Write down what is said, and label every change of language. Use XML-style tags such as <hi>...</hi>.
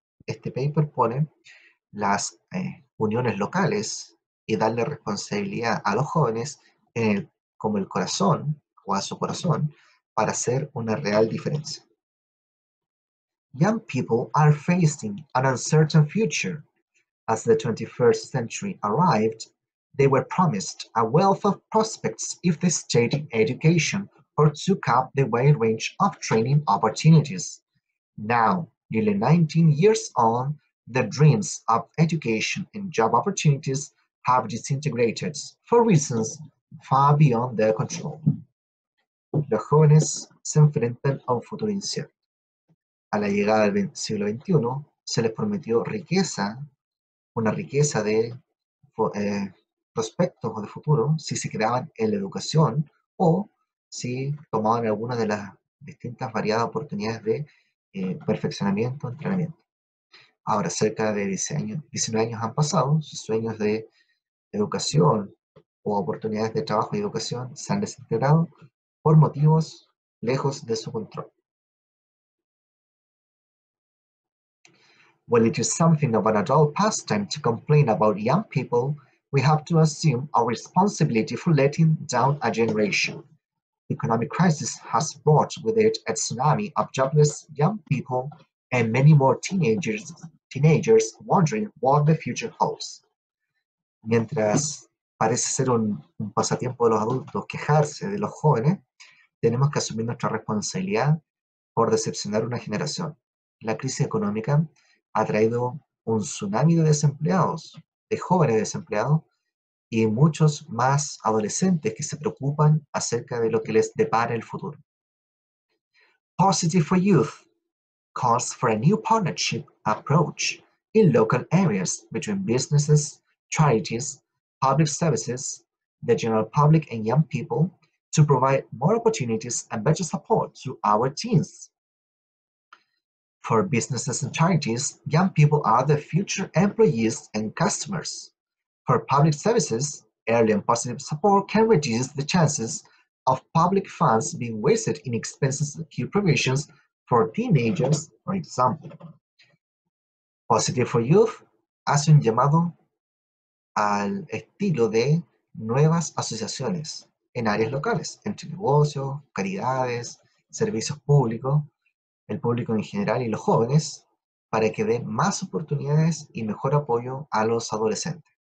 <es>Este paper pone las uniones locales y darle responsabilidad a los jóvenes en el, como el corazón o a su corazón para hacer una real diferencia.</es> <en>Young people are facing an uncertain future. As the 21st century arrived, they were promised a wealth of prospects if they stayed in education or took up the wide range of training opportunities. Now, nearly 19 years on, the dreams of education and job opportunities have disintegrated for reasons far beyond their control.</en> <es>Los jóvenes se enfrentan a un futuro incierto. A la llegada del siglo XXI, se les prometió riqueza, una riqueza de prospectos o de futuro, si se quedaban en la educación o si tomaban alguna de las distintas variadas oportunidades de perfeccionamiento, entrenamiento. Ahora, cerca de 19 años han pasado, sus sueños de educación o oportunidades de trabajo y educación se han desintegrado por motivos lejos de su control.</es> <en>Well, it is something of an adult pastime to complain about young people. We have to assume our responsibility for letting down a generation. The economic crisis has brought with it a tsunami of jobless young people and many more teenagers wondering what the future holds.</en> <es>Mientras parece ser un pasatiempo de los adultos quejarse de los jóvenes, tenemos que asumir nuestra responsabilidad por decepcionar una generación. La crisis económica ha traído un tsunami de desempleados, de jóvenes desempleados y muchos más adolescentes que se preocupan acerca de lo que les depara el futuro.</es> <en>Positive for Youth calls for a new partnership approach in local areas between businesses, charities, public services, the general public and young people to provide more opportunities and better support to our teens. For businesses and charities, young people are the future employees and customers. For public services, early and positive support can reduce the chances of public funds being wasted in expenses and key provisions for teenagers, for example.</en> <es>Positive for Youth hace un llamado al estilo de nuevas asociaciones en áreas locales, entre negocios, caridades, servicios públicos, el público en general y los jóvenes, para que den más oportunidades y mejor apoyo a los adolescentes.</es>